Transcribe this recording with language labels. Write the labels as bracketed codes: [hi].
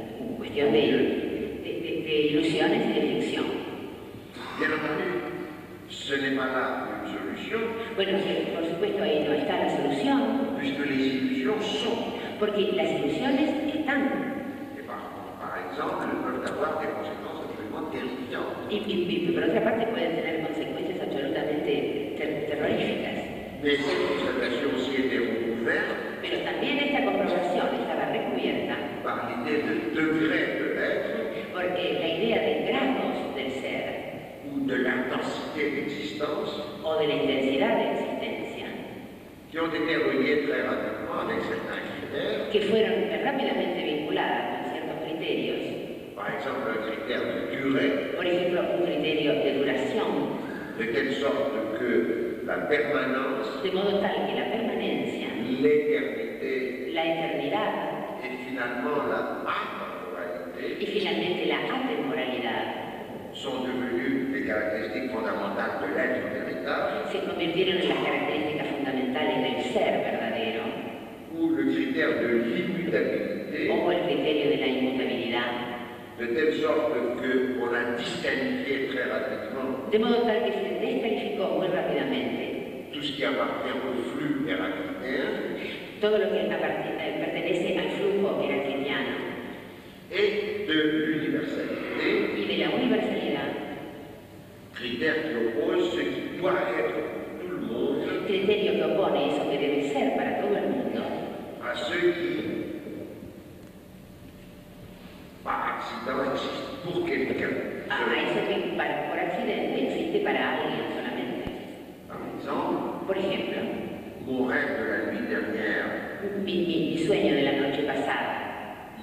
[es] En cuestión de ilusiones y de ficción. [fr] Bien entendu, ce n'est pas là une solution. [es] Bueno, por supuesto, ahí no está la solución. [fr] Puisque les illusions sont. [es] Porque las ilusiones están. [fr] Par exemple, peuvent avoir des conséquences absolument terrifiantes. [es] Y por otra parte, pueden tener consecuencias absolutamente terroríficas. [fr] Mais cette constatation aussi était recouverte. [es] Pero también esta comprobación estaba recubierta. [fr] Par l'idée de degré de l'être. [es] Porque la idea de grados del ser. [fr] Ou de l'intensité d'existence. [es] O de la intensidad de existencia. [fr] Qui ont été reliées très rapidement avec certains critères. [es] Que fueron rápidamente vinculadas con ciertos criterios. [fr] Par exemple, un critère de durée. [es] Por ejemplo, un criterio de duración. [fr] De telle sorte que la permanence. [es] De modo tal que la permanencia. [fr] L'éternité, [es] la eternidad, [fr] et finalement la atemporalité, [es] y finalmente la atemporalidad, [fr] sont devenues les caractéristiques fondamentales de l'être véritable, [es] se convirtieron en las características fundamentales del ser verdadero, [fr] ou le critère de l'immutabilité, [es] o el criterio de la inmutabilidad, [fr] de telle sorte qu'on a distingué très rapidement, [es] de modo tal que se descalificó muy rápidamente, [fr] tout ce qui appartient au flux héraclitien. [es] Todo lo que pertenece al flujo heracliano. [fr] Et de l'universalité. [es] Y de la universalidad. [fr] Critère qui oppose ce qui doit être tout le monde. [es] Criterio que opone eso que debe ser para todo el mundo. [fr] A ceux qui, par accident, existe pour quelqu'un. [es] Ah, eso que por accidente existe para alguien solamente. [fr] Par exemple. [es] Por ejemplo. [fr] Mon rêve de la nuit dernière. [es] Mi sueño de la noche pasada.